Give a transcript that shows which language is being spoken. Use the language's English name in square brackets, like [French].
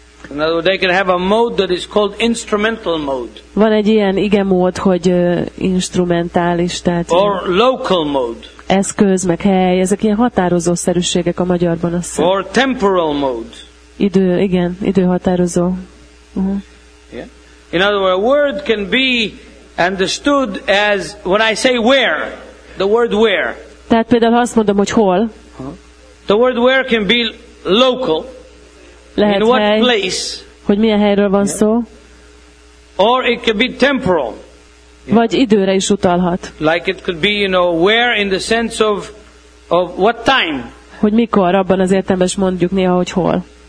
[English] in other words, they can have a mode that is called instrumental mode. [Hungarian] Van egy ilyen ige mód, hogy instrumentális, tehát [English] or local mode. [Hungarian] Eszköz, meg hely, ezek ilyen határozó szerűségek a magyarban azt. [English] Or temporal mode. [Hungarian] Idő, igen, időhatározó. [English] Yeah. In other words, a word can be understood as when I say where, the word where. [Hungarian] Tehát például azt mondom, hogy hol. [English] The word where can be local. [Hungarian] Lehet [English] in what [Hungarian] hely, [English] place? [Hungarian] Hogy milyen helyről van szó? [English] Or it could be temporal. [Hungarian] Vagy időre is utalhat. [English] Like it could be, you know, where in the sense of what time? [Hungarian] Hogy mikor, abban az értelemben mondjuk néha, hogy hol.